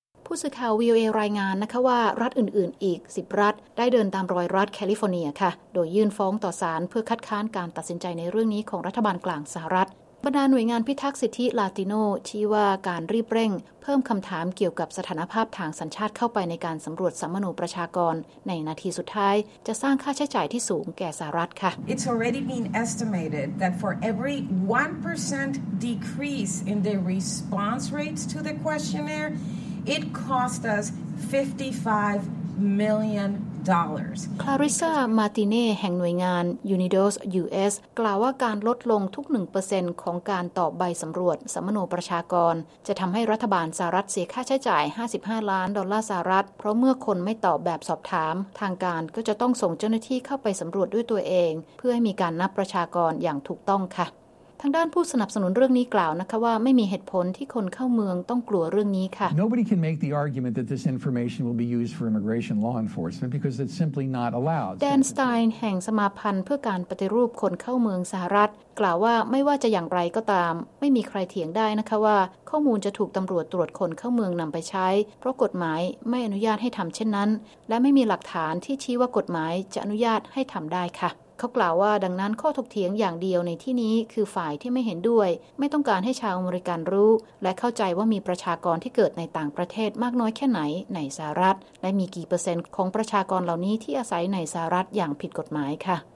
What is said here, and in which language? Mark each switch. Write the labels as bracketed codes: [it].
[th] ผู้สื่อข่าว VOA รายงานนะคะว่ารัฐอื่นๆอีก10รัฐได้เดินตามรอยรัฐแคลิฟอร์เนียค่ะโดยยื่นฟ้องต่อศาลเพื่อคัดค้านการตัดสินใจในเรื่องนี้ของรัฐบาลกลางสหรัฐบรรดาหน่วยงานพิทักษ์สิทธิลาติโนชี้ว่าการรีบเร่งเพิ่มคำถามเกี่ยวกับสถานภาพทางสัญชาติเข้าไปในการสำรวจสัมมโนประชากรในนาทีสุดท้ายจะสร้างค่าใช้จ่ายที่สูงแก่สหรัฐค่ะ [en] It's already been estimated that for every 1% decrease in the response rates to the questionnaireIt cost us $55 million. [th] Clarissa Martine แห่งหน่วยงาน Unidos US กล่าวว่าการลดลงทุก 1% ของการตอบใบสำรวจสัมมโนประชากรจะทำให้รัฐบาลสหรัฐเสียค่าใช้จ่าย$55 ล้านเพราะเมื่อคนไม่ตอบแบบสอบถามทางการก็จะต้องส่งเจ้าหน้าที่เข้าไปสำรวจด้วยตัวเองเพื่อให้มีการนับประชากรอย่างถูกต้องค่ะ างด้านผู้สนับสนุนเรื่องนี้กล่าวนะคะว่าไม่มีเหตุผลที่คนเข้าเมืองต้องกลัวเรื่องนี้ค่ะ [en] Nobody can make the argument that this information will be used for immigration law enforcement because it's simply not allowed. [th] แดนสไตน์แห่งสมาพันธ์เพื่อการปฏิรูปคนเข้าเมืองสหรัฐกล่าวว่าไม่ว่าจะอย่างไรก็ตามไม่มีใครเถียงได้นะคะว่าข้อมูลจะถูกตำรวจตรวจคนเข้าเมืองนำไปใช้เพราะกฎหมายไม่อนุญาตให้ทำเช่นนั้น และไม่มีหลักฐานที่ชี้ว่ากฎหมายจะอนุญาตให้ทำได้ค่ะเขากล่าวว่าดังนั้นข้อถกเถียงอย่างเดียวในที่นี้คือฝ่ายที่ไม่เห็นด้วยไม่ต้องการให้ชาวอเมริกันรู้และเข้าใจว่ามีประชากรที่เกิดในต่างประเทศมากน้อยแค่ไหนในสหรัฐและมีกี่เปอร์เซ็นต์ของประชากรเหล่านี้ที่อาศัยในสหรัฐอย่างผิดกฎหมายค่ะ